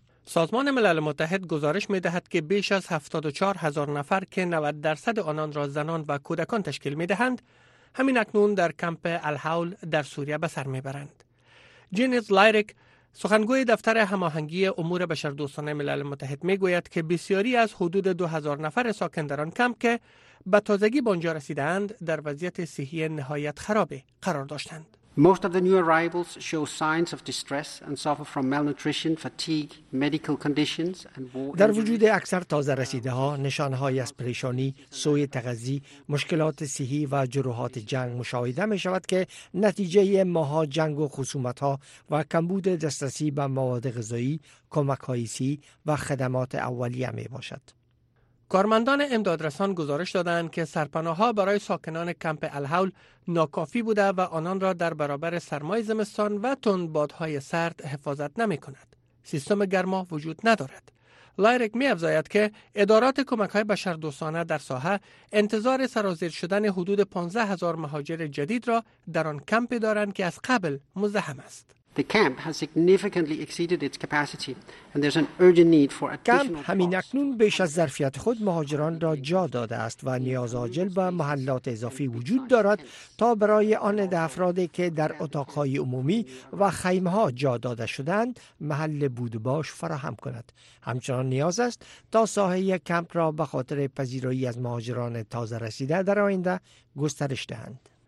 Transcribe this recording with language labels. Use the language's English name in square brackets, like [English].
[Persian] سازمان ملل متحد گزارش می‌دهد که بیش از 74 هزار نفر که 90% آنان را زنان و کودکان تشکیل می‌دهند، همین اکنون در کمپ الهول در سوریه به سر می‌برند. جینز لایریک، سخنگوی دفتر هماهنگی امور بشردوستانه ملل متحد، می‌گوید که بسیاری از حدود 2000 نفر ساکن در آن کمپ که به تازگی به آنجا رسیده‌اند، در وضعیت صحی نهایت خرابی قرار داشتند. [English] Most of the new arrivals show signs of distress and suffer from malnutrition, fatigue, medical conditions and war. [Persian] در وجود اکثر تازه رسیده ها نشانه های از پریشانی، سوء تغذی، مشکلات صحی و جروحات جنگ مشاهده می شود که نتیجه ماها جنگ و خصومت ها و کمبود دسترسی به مواد غذایی، کمک های صحی و خدمات اولیه می باشد. کارمندان امدادرسان گزارش دادند که سرپناه‌ها برای ساکنان کمپ الهول ناکافی بوده و آنان را در برابر سرمای زمستان و تندبادهای سرد حفاظت نمی‌کند. سیستم گرما وجود ندارد. لایرک می‌افزاید که ادارات کمک‌های بشردوستانه در ساحه انتظار سرازیر شدن حدود 15 هزار مهاجر جدید را در آن کمپ دارند که از قبل مزدحم است. [English] The camp has significantly exceeded its capacity and there's an urgent need for additional. [Persian] کمپ همین اکنون بیش از ظرفیت خود مهاجران را جا داده است و نیاز عاجل به محلات اضافی وجود دارد تا برای آن افرادی که در اتاق‌های عمومی و خیمه‌ها جا داده شدند محل بودباش فراهم کند. همچنان نیاز است تا ساحه کمپ را به خاطر پذیرایی از مهاجران تازه رسیده در آینده گسترش دهند.